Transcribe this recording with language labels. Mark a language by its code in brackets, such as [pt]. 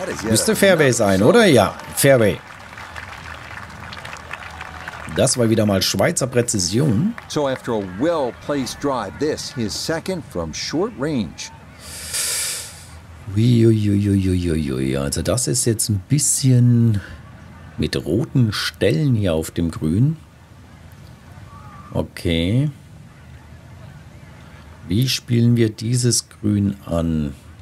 [de] Müsste Fairway sein, oder? Ja, Fairway. Das war wieder mal Schweizer Präzision. [en] So after a well-placed drive, this is second from short range. [de] Also das ist jetzt ein bisschen mit roten Stellen hier auf dem Grün. Okay. Wie spielen wir dieses Grün an?